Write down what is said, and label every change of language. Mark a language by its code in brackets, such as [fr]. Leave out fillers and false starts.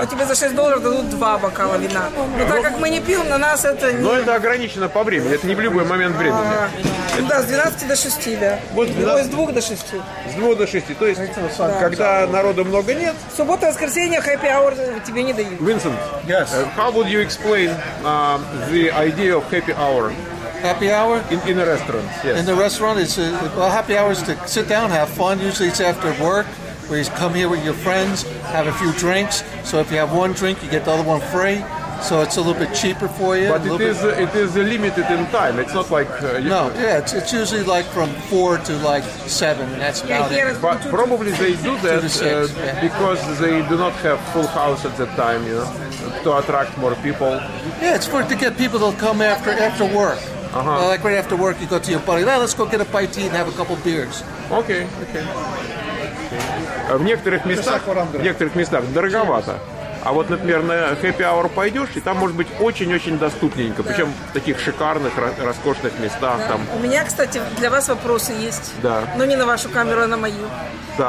[ru] А тебе за $6 дадут два бокала вина. Но так как мы не пьем, на нас это не... Но это ограничено по времени, это не в любой момент времени. Ну да, с 12 до 6, да. Вот, с 2 до 6. С 2 до 6, то есть, да. Когда народу много нет... Суббота, воскресенье, happy hour тебе не дают. Винсент, [en] yes. How would you explain the idea of happy hour? Happy hour? In a restaurant, yes. In the restaurant, happy hour is to sit down, have fun. Usually it's after work, where you come here with your friends, have a few drinks. So if you have one drink, you get the other one free. So it's a little bit cheaper for you. But it is limited in time. It's not like... It's usually like from 4 to like 7. That's about it. But probably they do that because they do not have full house at that time, you know, to attract more people. Yeah, it's to get people to come after work. Uh-huh. Like right after work, you go to your buddy. Well, let's go get a bite to eat and have a couple beers. Okay. [ru] В некоторых местах дороговато. А вот, например, на happy hour пойдешь, и там может быть очень-очень доступненько. Причем в таких шикарных, роскошных местах. Там. У меня, кстати, для вас вопросы есть. Да. Но не на вашу камеру, а на мою. Да.